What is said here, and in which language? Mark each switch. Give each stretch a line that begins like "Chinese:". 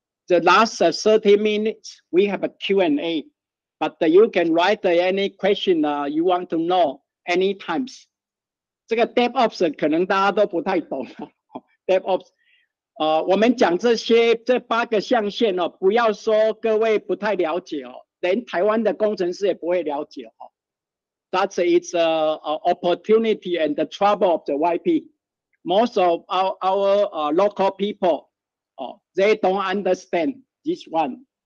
English: The last 30 minutes we have a Q&A， but you can write any question you want to know anytime.
Chinese: 这个 DevOps 可能大家都不太懂，DevOps。我们讲这些这八个象限，不要说各位不太了解，连台湾的工程师也不会了解。
English: That is an opportunity and the trouble of the YP. Most of our local people, they don't understand this one.